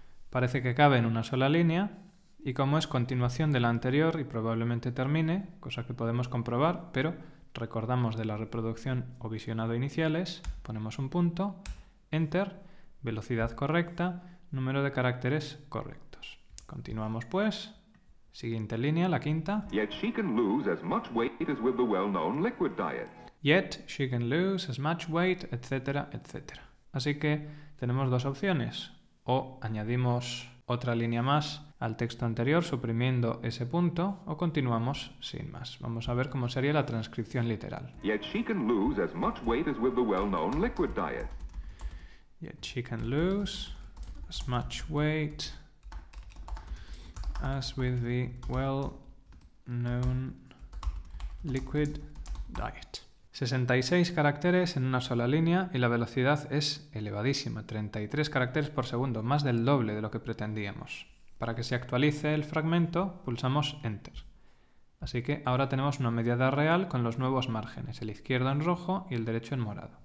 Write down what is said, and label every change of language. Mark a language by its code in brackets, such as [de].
[es] Parece que cabe en una sola línea y como es continuación de la anterior y probablemente termine, cosa que podemos comprobar, pero recordamos de la reproducción o visionado iniciales, ponemos un punto, Enter, velocidad correcta, número de caracteres correctos. Continuamos pues. Siguiente línea, la quinta. [en] Yet she can lose as much weight as with the well-known liquid diet. Yet she can lose as much weight, etc., etc. [es] Así que tenemos dos opciones. O añadimos otra línea más al texto anterior suprimiendo ese punto o continuamos sin más. Vamos a ver cómo sería la transcripción literal. [en] Yet she can lose as much weight as with the well-known liquid diet. Yet she can lose as much weight as with the well-known liquid diet. [es] 66 caracteres en una sola línea y la velocidad es elevadísima, 33 caracteres por segundo, más del doble de lo que pretendíamos. Para que se actualice el fragmento, pulsamos Enter. Así que ahora tenemos una mediana real con los nuevos márgenes, el izquierdo en rojo y el derecho en morado.